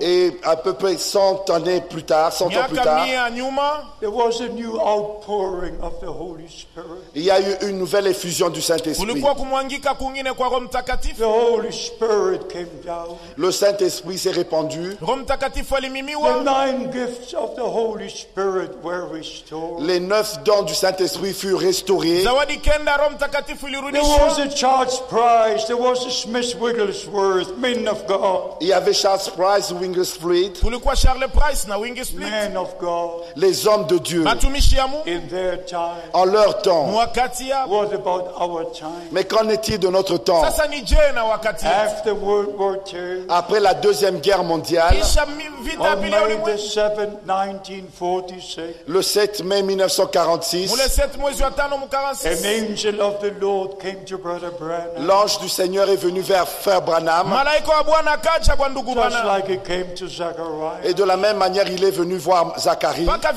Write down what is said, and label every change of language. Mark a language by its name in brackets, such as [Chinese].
[French] Et à peu près 100 années plus tard, 100 ans plus tard. [English] There was a new outpouring of the Holy Spirit. [French] Il y a eu une nouvelle effusion du Saint-Esprit. [English] The Holy Spirit came down. [French] Le Saint-Esprit s'est répandu. [English] The nine gifts of the Holy Spirit were restored. [French] Les 9 dons du Saint-Esprit fut restauré. [English] There was a Charles Price, there was a Smith Wigglesworth, men of God. [French] Il y avait Charles Price, Wigglesworth. [English] Men of God. [French] Les hommes de Dieu. [English] In their time. [French] En leur temps. [English] What about our time? [French] Mais qu'en est-il de notre temps? [English] After World War II. [French] Après la Deuxième Guerre mondiale. [English] On May 7, 1946. [French] Le 7 mai 1946. [English] An angel of the Lord came to Brother Branham. [French] L'ange du Seigneur est venu vers frère Branham. [English] Just like he came to Zachariah. [French] Et de la même manière, il est venu voir Zacharie.